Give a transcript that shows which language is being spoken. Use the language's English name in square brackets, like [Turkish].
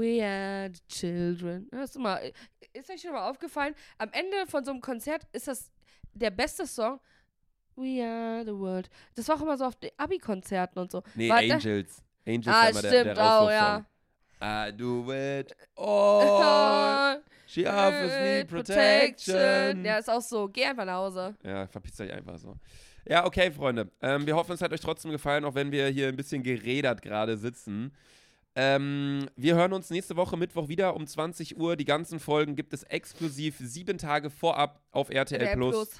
[English] We are the children. [German] Hörst du mal, ist euch schon mal aufgefallen, am Ende von so einem Konzert ist das der beste Song. [English] We are the world. [German] Das war auch immer so auf den Abi-Konzerten und so. Nee, war Angels. Da? Angels war immer stimmt, der Rauschluss-Song. [English] Ja. I do it all. She offers me protection. [German] Ja, ist auch so. Geh einfach nach Hause. Ja, verpisst euch einfach so. Ja, okay, Freunde. Wir hoffen, es hat euch trotzdem gefallen, auch wenn wir hier ein bisschen gerädert gerade sitzen. Wir hören uns nächste Woche Mittwoch wieder um 20 Uhr. Die ganzen Folgen gibt es exklusiv 7 Tage vorab auf RTL Plus.